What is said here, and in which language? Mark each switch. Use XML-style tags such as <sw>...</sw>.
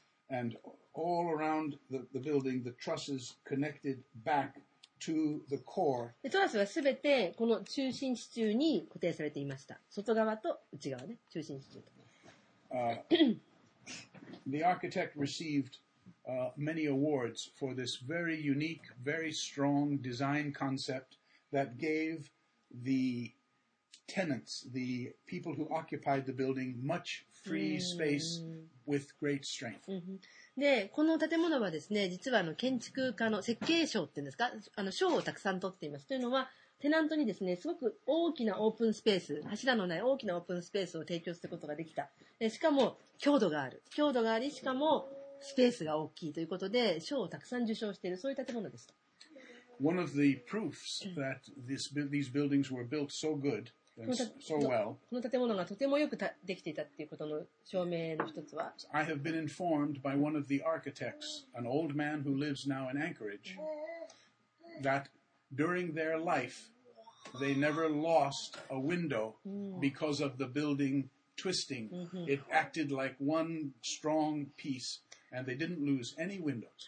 <en>And all around the building, the trusses connected back to the core.</en> <ja>で、トラスはすべてこの中心支柱に固定されていました。外側と内側ね、中心支柱と。</ja> <en>The architect received many awards for this very unique, very strong design concept. That gave the tenants, the people who occupied the building, much free space with great strength.</en> <ja>で、この建物はですね、実は建築家の設計賞っていうんですか、賞をたくさん取っています。というのは、テナントにですね、すごく大きなオープンスペース、柱のない大きなオープンスペースを提供することができた。しかも、強度がある。強度があり、しかも、スペースが大きいということで、賞をたくさん受賞している、そういう建物です。</ja> <en>One of the proofs that these buildings were built so good and so well.</en> <ja>この建物がとてもよくできていたっていうことの証明の一つは。</ja> <en>I have been informed by one of the architects, an old man who lives now in Anchorage, that during their life they never lost a window because of the building twisting. It acted like one strong piece, and they didn't lose any windows.</en>